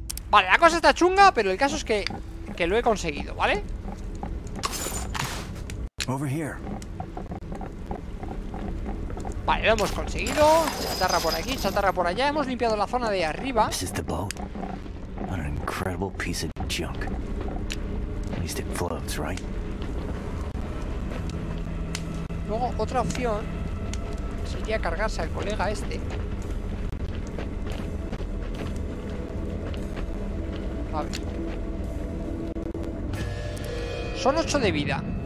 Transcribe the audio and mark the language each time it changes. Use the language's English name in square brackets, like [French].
[Spanish] Vale, la cosa está chunga, pero el caso es que lo he conseguido, ¿vale? [English] Over here. [Spanish] Vale, lo hemos conseguido. Chatarra por aquí, chatarra por allá. Hemos limpiado la zona de arriba. [English] This is the boat. What an incredible piece of junk. At least it floats, right? [Spanish] Luego, otra opción sería cargarse al colega este. A ver. Son 8 de vida.